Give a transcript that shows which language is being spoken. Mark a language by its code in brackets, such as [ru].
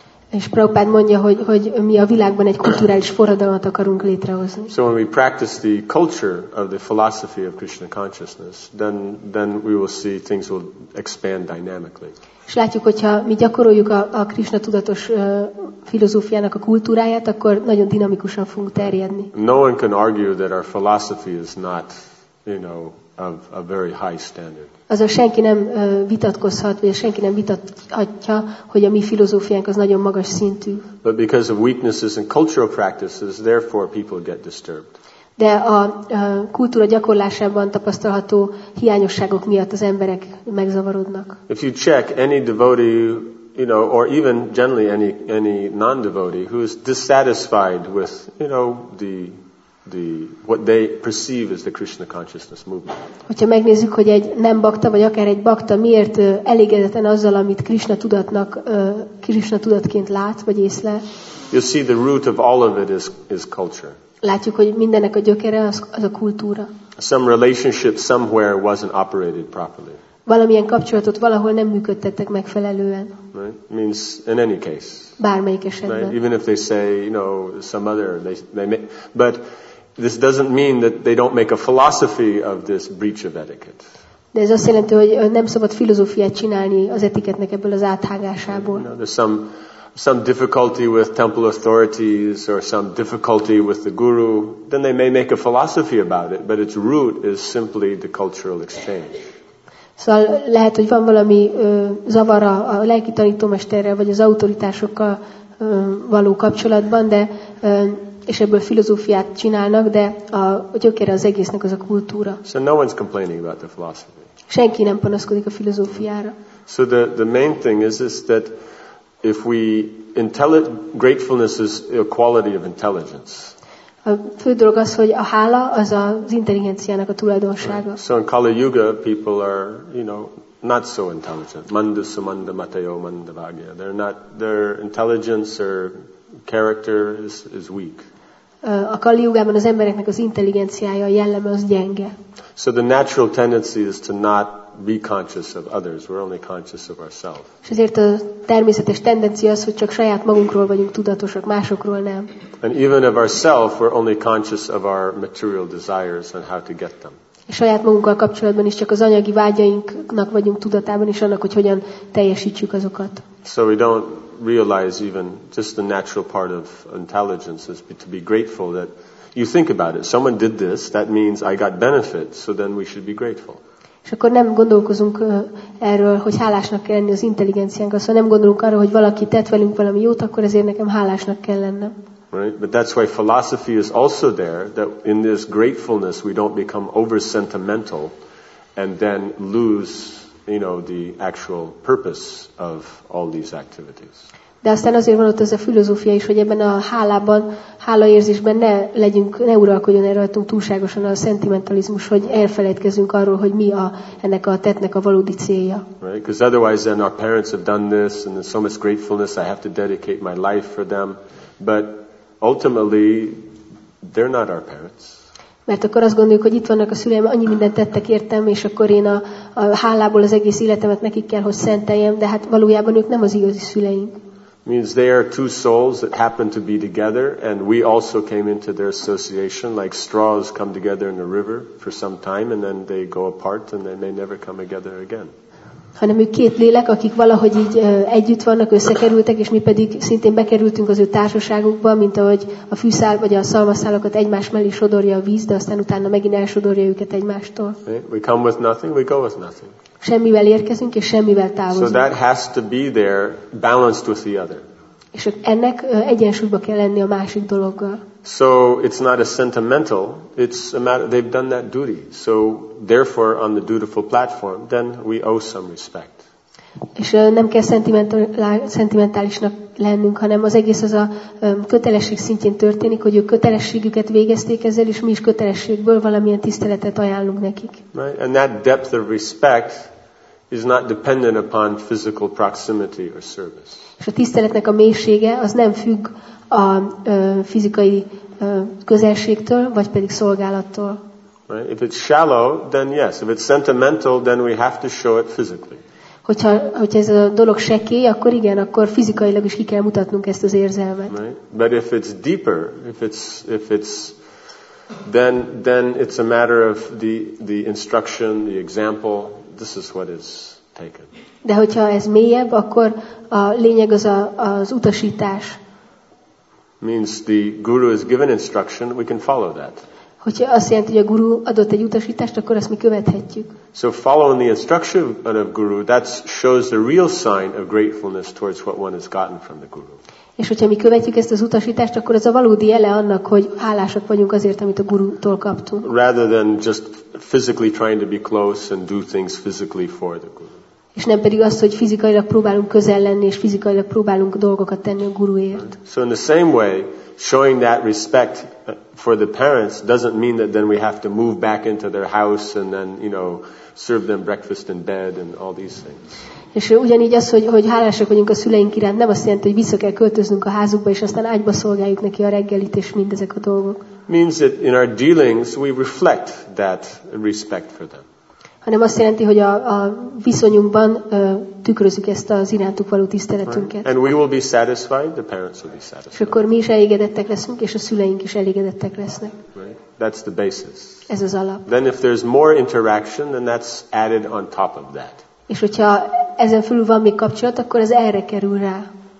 [hu] És Prabhupád mondja, hogy mi a világban egy kulturális forradalmat akarunk létrehozni. [en] So when we practice the culture of the philosophy of Krishna consciousness, then we will see things will expand dynamically. [hu] És látjuk, hogyha mi gyakoroljuk a Krishna tudatos filozófiának a kultúráját, akkor nagyon dinamikusan fogunk terjedni. [en] No one can argue that our philosophy is not, you know, of a very high standard. [hu] Azzal senki nem vitatkozhat, vagy senki nem vitathatja, hogy a mi filozófiánk az nagyon magas szintű. [en] But because of weaknesses in cultural practices, therefore people get disturbed. [hu] De a kultúra gyakorlásában tapasztalható hiányosságok miatt az emberek megzavarodnak. [en] If you check any devotee, you know, or even generally any non-devotee who is dissatisfied with, you know, the what they perceive as the Krishna consciousness movement. [hu] Hogyha megnézzük, hogy egy nem bakta vagy akár egy bakta miért elégedetlen azzal, amit Krishna tudatnak Krishna tudatként lát vagy észle. [en] You see the root of all of it is culture. [hu] Látjuk, hogy mindennek a gyökere az a kultúra. [en] Some relationship somewhere wasn't operated properly. [hu] Valamilyen kapcsolatot valahol nem működtettek megfelelően. [en] Right? Means in any case. [hu] Bármelyik esetben. [en] Right? Even if they say, you know, some other, they may, but this doesn't mean that they don't make a philosophy of this breach of etiquette. [hu] De ez azt jelenti, hogy nem szabad filozófiát csinálni az etiketnek ebből az áthágásából. [en] You know, there's some difficulty with temple authorities or some difficulty with the guru, then they may make a philosophy about it, but its root is simply the cultural exchange. [hu] Szóval lehet, hogy van valami zavar a lelki tanítómesterrel vagy az autoritásokkal való kapcsolatban, de és ebből filozófiát csinálnak, de a gyökere az egésznek az a kultúra. [en] So no one's complaining about the philosophy. [hu] Senki nem panaszkodik a filozófiára. [en] So the main thing is that if we gratefulness is a quality of intelligence. [hu] A fő dolog az, hogy a hála az az intelligenciának a tulajdonsága. [en] So in Kali Yuga people are, you know, not so intelligent. [sa] Manda sumanda matayo manda bhagya. [en] They're not, their intelligence or character is weak. [hu] A Kali Yugában az embereknek az intelligenciája, a jelleme az gyenge. [en] So the natural tendency is to not be conscious of others. We're only conscious of ourselves. [hu] És ezért a természetes tendencia az, hogy csak saját magunkról vagyunk tudatosak, másokról nem. [en] And even of ourselves, we're only conscious of our material desires and how to get them. [hu] És saját magunkkal kapcsolatban is csak az anyagi vágyainknak vagyunk tudatában is annak, hogy hogyan teljesítjük azokat. [en] So we don't realize even just the natural part of intelligence is to be grateful that you think about it. Someone did this, that means I got benefit, so then we should be grateful. [hu] És akkor nem gondolkozunk erről, hogy hálásnak kell lenni az intelligenciánk, szóval nem gondolunk arra, hogy valaki tett velünk valami jót, akkor ezért nekem hálásnak kell lennem. [en] Right? But that's why philosophy is also there, that in this gratefulness we don't become over sentimental and then lose, you know, the actual purpose of all these activities. [hu] De aztán azért van ott ez a filozófia is, hogy ebben a hálában, hálaérzésben ne legyünk, ne uralkodjon el rajtunk túlságosan a szentimentalizmus, hogy elfelejtkezünk arról, hogy mi a ennek a tettnek a valódi célja. [en] Right, because otherwise then our parents have done this and there's so much gratefulness I have to dedicate my life for them, but ultimately they're not our parents. [hu] Mert akkor azt gondoljuk, hogy itt vannak a szüleim, annyi mindent tettek értem, és akkor én a hálából az egész életemet nekik kell, hogy szenteljem, de hát valójában ők nem az igazi szüleink. [en] Means they are two souls that happen to be together, and we also came into their association like straws come together in a river for some time, and then they go apart, and they may never come together again. [hu] Hanem ők két lélek, akik valahogy így együtt vannak, összekerültek, és mi pedig szintén bekerültünk az ő társaságukba, mint ahogy a fűszál vagy a szalmaszálakat egymás mellé sodorja a víz, de aztán utána megint elsodorja őket egymástól. [en] We come with nothing, we go with nothing. [hu] Semmivel érkezünk és semmivel távozunk. [en] So that has to be there balanced with the other. [hu] És ennek egyensúlyba kell lenni a másik dologgal. [en] So it's not a sentimental, it's a matter they've done that duty. So therefore on the dutiful platform then we owe some respect. [hu] És nem kell szentimentálisnak lennünk, hanem az egész az a kötelesség szintjén történik, hogy ők kötelességüket végezték ezzel, és mi is kötelességből valamilyen tiszteletet ajánlunk nekik. [en] Right? And that depth of respect is not dependent upon physical proximity or service. [hu] És a tiszteletnek a mélysége az nem függ a fizikai közelségtől, vagy pedig szolgálattól. [en] Right? If it's shallow, then yes. If it's sentimental, then we have to show it physically. [hu] Hogyha ez a dolog sekély, akkor igen, akkor fizikailag is ki kell mutatnunk ezt az érzelmet. [en] Right? But if it's deeper, if it's then it's a matter of the instruction, the example, this is what is taken. [hu] De hogyha ez mélyebb, akkor a lényeg az az utasítás. [en] Means the guru is given instruction, we can follow that. [hu] Hogyha azt jelenti, hogy a guru adott egy utasítást, akkor azt mi követhetjük. [en] So following the instruction of guru, that shows the real sign of gratefulness towards what one has gotten from the guru. [hu] És hogyha mi követjük ezt az utasítást, akkor ez a valódi jele annak, hogy hálásak vagyunk azért, amit a gurútól kaptunk. [en] Rather than just physically trying to be close and do things physically for the guru. [hu] És nem pedig azt, hogy fizikailag próbálunk közel lenni, és fizikailag próbálunk dolgokat tenni a guruért. [en] So in the same way, showing that respect for the parents doesn't mean that then we have to move back into their house and then, you know, serve them breakfast in bed and all these things. [hu] És ugyanígy az, hogy hálásak vagyunk a szüleink iránt, nem azt jelenti, hogy vissza kell költöznünk a házukba, és aztán ágyba szolgáljuk neki a reggelit és mindezek a dolgok. [en] Means that in our dealings we reflect that respect for them. [hu] Hanem azt jelenti, hogy a viszonyunkban tükrözzük ezt az irántuk való tiszteletünket. [en] And we will be satisfied, the parents will be satisfied. [hu] És akkor mi is elégedettek leszünk, és a szüleink is elégedettek lesznek. [en] Right? That's the basis. [hu] Ez az alap. [en] Then if there's more interaction, then that's added on top of that. [hu] És hogyha ezen fölül van még kapcsolat, akkor ez erre kerül rá.